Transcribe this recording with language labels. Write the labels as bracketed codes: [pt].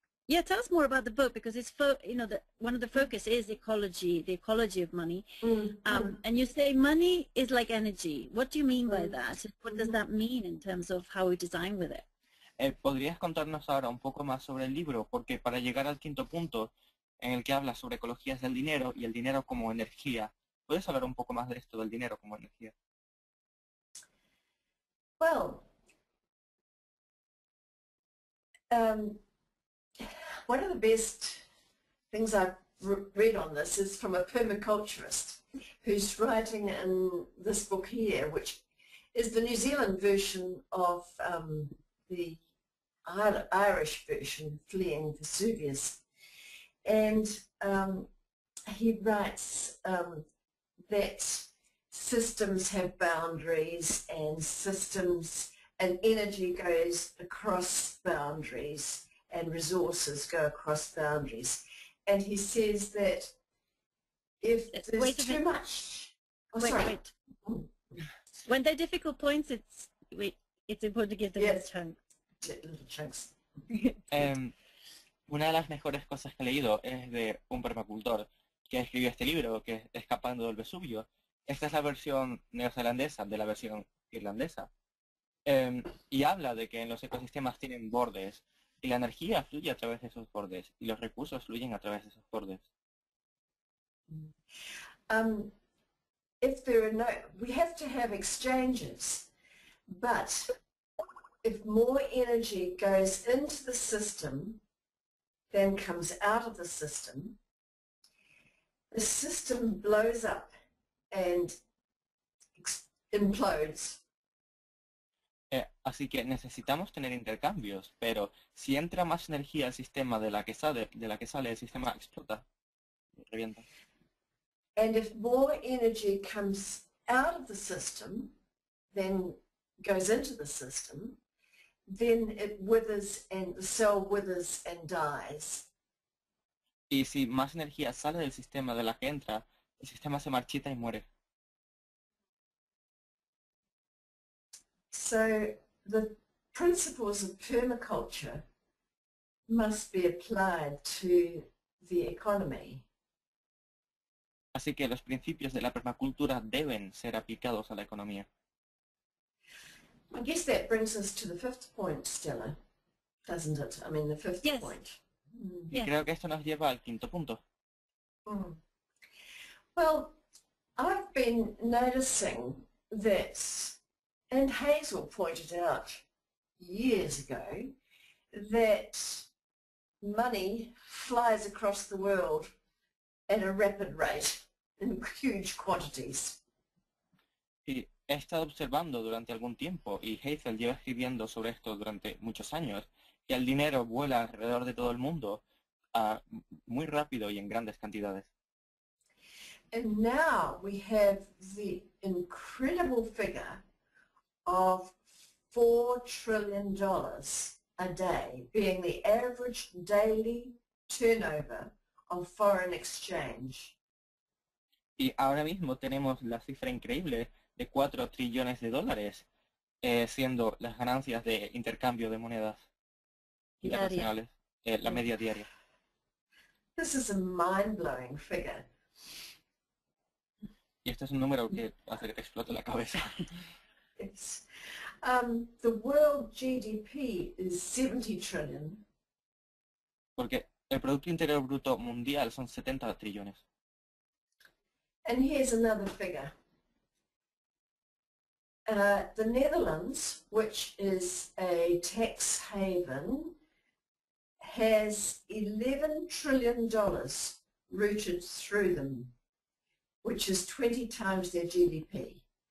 [en] Yeah, tell us more about the book, because it's one of the focus is ecology, the ecology of money. Mm-hmm. And you say money is like energy. What do you mean by that? What does that mean in terms of how we design with it? [es] ¿Podrías contarnos ahora un poco más sobre el libro? Porque para llegar al quinto punto, en el que habla sobre ecología es el dinero y el dinero como energía. ¿Puedes hablar un poco más de esto, del dinero como energía? [en] Well, one of the best things I've read on this is from a permaculturist who's writing in this book here, which is the New Zealand version of the Irish version, Fleeing Vesuvius. And he writes that systems have boundaries and systems and energy goes across boundaries and resources go across boundaries. And he says that if there's when they're difficult points, it's important to give them little chunks. [es] Una de las mejores cosas que he leído es de un permacultor que escribió este libro, que es Escapando del Vesubio. Esta es la versión neozelandesa de la versión irlandesa. Y habla de que en los ecosistemas tienen bordes y la energía fluye a través de esos bordes y los recursos fluyen a través de esos bordes. [en] If there are no, we have to have exchanges, but if more energy goes into the system than comes out of the system blows up and implodes. [es] Así que necesitamos tener intercambios, pero si entra más energía al sistema de la que sale, el sistema explota, revienta. [en] And if more energy comes out of the system than goes into the system, then it withers and the cell withers and dies. [es] Y si más energía sale del sistema de la que entra, el sistema se marchita y muere. [en] So the principles of permaculture must be applied to the economy. [es] Así que los principios de la permacultura deben ser aplicados a la economía. [en] I guess that brings us to the fifth point, Stella, doesn't it? I mean, the fifth point. [es] Y creo que esto nos lleva al quinto punto. [en] Well, I've been noticing that, and Hazel pointed out years ago, that money flies across the world at a rapid rate in huge quantities. [es] He estado observando durante algún tiempo, y Hazel lleva escribiendo sobre esto durante muchos años, que el dinero vuela alrededor de todo el mundo muy rápido y en grandes cantidades. [en] And now we have the incredible figure of $4 trillion a day being the average daily turnover of foreign exchange. [es] Y ahora mismo tenemos la cifra increíble de $4 trillones siendo las ganancias de intercambio de monedas internacionales, la media diaria. [en] This is a mind-blowing figure. [es] Y este es un número que hace que te explote la cabeza. [en] Yes. The world GDP is 70 trillion. [es] Porque el Producto Interior Bruto Mundial son 70 trillones. [en] And here's another figure. The Netherlands, which is a tax haven, has $11 trillion routed through them, which is 20 times their GDP.